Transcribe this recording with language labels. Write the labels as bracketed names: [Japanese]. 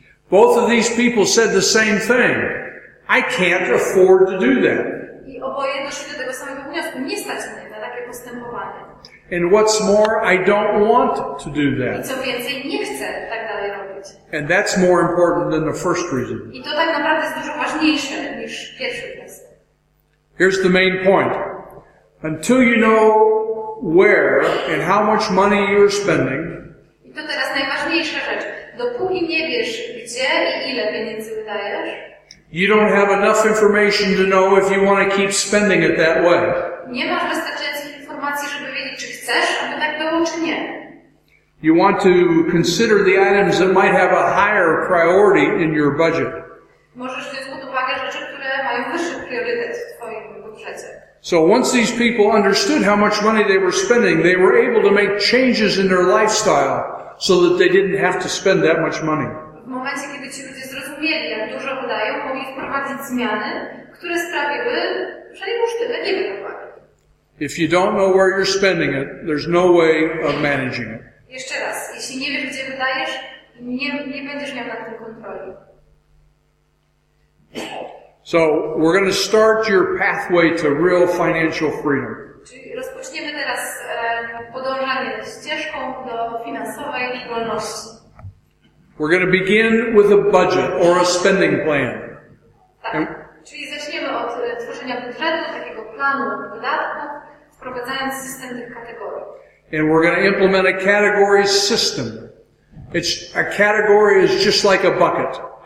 [English] Both of these people said the same thing. I can't afford to do that. [Polish] I oboje doszli do tego samego wniosku. Nie stać mnie na takie postępowanie. [English] And what's more, I don't want to do that. [Polish] I co więcej, nie chcę tak dalej robić. [English] And that's more important than the first reason. [Polish] I to tak naprawdę jest dużo ważniejsze niż pierwszy raz. [English] Here's the main point. Until you know where and how much money you're spending. [Polish] I to teraz najważniejsza rzecz. Dopóki nie wiesz, gdzie i ile pieniędzy wydajesz, [English] you don't have enough information to know if you want to keep spending it that way. [Polish] Nie masz wystarczających informacji, żeby wiedzieć, czy chcesz, aby tak było, czy nie. [English] You want to consider the items that might have a higher priority in your budget. [Polish] Możesz wziąć pod uwagę rzeczy, które mają wyższy priorytet w twoim budżecie. [English] So once these people understood how much money they were spending, they were able to make changes in their lifestyle so that they didn't have to spend that much money. [Polish] W momencie, kiedy ci ludzie zrozumieli, jak dużo wydają, mogli wprowadzić zmiany, które sprawiły, że nie muszę tyle, nie wiem. [English] If you don't know where you're spending it, there's no way of managing it. [Polish] Jeszcze raz, jeśli nie wiesz, gdzie wydajesz, nie będziesz miał nad tym kontroli. [English] So, we're going to start your pathway to real financial freedom. [Polish] Czyli rozpoczniemy teraz podążanie ścieżką do finansowej wolności. [English] We're going to begin with a budget or a spending plan. [Polish] Tak. Czyli zaczniemy od tworzenia budżetu, takiego planu wydatków, wprowadzając system tych kategorii. [English] And we're going to implement a category system. It's a category is just like a bucket.